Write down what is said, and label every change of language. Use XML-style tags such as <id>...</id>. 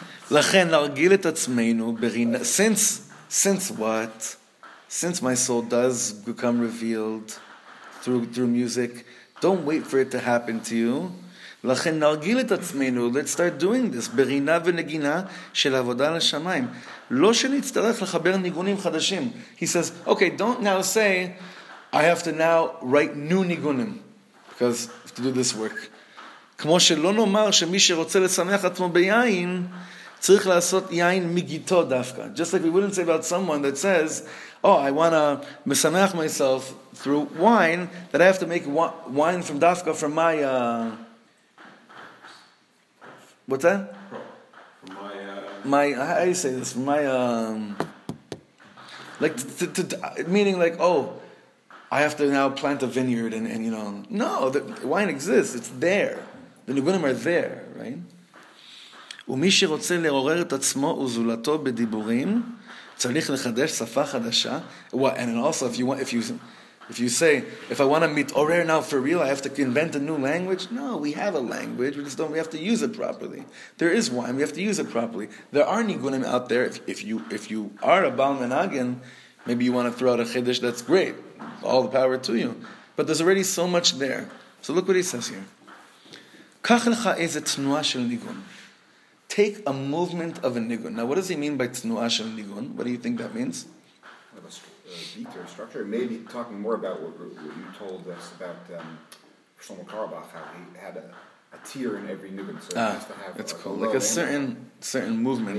<he>לכן נרגיל את עצמנו</he> <en>since what? Since my soul does become revealed through music, don't wait for it to happen to you.</en> <he>לכן נרגיל את עצמנו,</he> <en>let's start doing this.</en> <he>ברינה ונגינה של עבודה לשמיים. לא שנצטרך לחבר ניגונים חדשים.</he> <en>He says, okay, don't now say, I have to now write new ניגונים. Because I have to do this work.</en> <he>כמו שלא נאמר שמי שרוצה לשמח עצמו ביין, צריך לעשות יין מגיתו דווקא.</he> <en>Just like we wouldn't say about someone that says, oh, I want to משמח myself through wine, that I have to make wine from דווקא from my... what's that? From my... How do you say this? From my... like, meaning like, oh, I have to now plant a vineyard and you know... No, the wine exists. It's there. The nigunim are there, right?</en> <he>ומי שרוצה לעורר את עצמו וזולתו בדיבורים, צריך לחדש שפה חדשה.</he> <en>And also, if you say, if I want to mitorer now for real, I have to invent a new language. No, we have a language. We have to use it properly. There is wine. We have to use it properly. There are nigunim out there. If you are a bal menagin, maybe you want to throw out a chiddush. That's great. All the power to you. But there's already so much there. So look what he says here.</en> <he>קח לך איזה תנועה של ניגון.</he> <en>Take a movement of a nigun. Now, what does he mean by tnu'a shel nigun? What do you think that means? A beat or structure. Maybe talking more about what you told us about Shlomo Karlbach, how he had a tier in every nigun. So he has to have that's a, cool. A like a certain movement.</en>